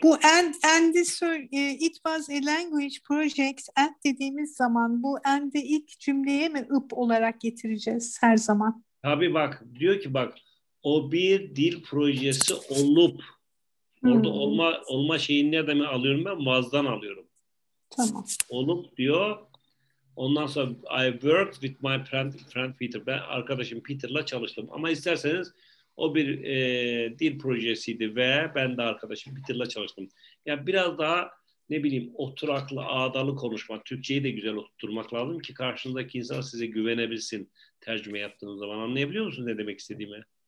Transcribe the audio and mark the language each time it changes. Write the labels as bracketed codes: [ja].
[tr] Bu [en] it was a language project end [tr] dediğimiz zaman bu end'i ilk cümleye mi ıp olarak getireceğiz her zaman? Tabii bak, diyor ki bak, o bir dil projesi olup orada olma şeyini nereden alıyorum ben? Was'dan alıyorum. Tamam. Olup diyor. Ondan sonra [en] I worked with my friend Peter. [tr] Ben arkadaşım Peter'la çalıştım. Ama isterseniz o bir dil projesiydi ve ben de arkadaşım Peter'la çalıştım. Yani biraz daha ne bileyim oturaklı, ağdalı konuşmak. Türkçeyi de güzel oturtmak lazım ki karşınızdaki insan size güvenebilsin. Tercüme yaptığınız zaman anlayabiliyor musunuz ne demek istediğimi?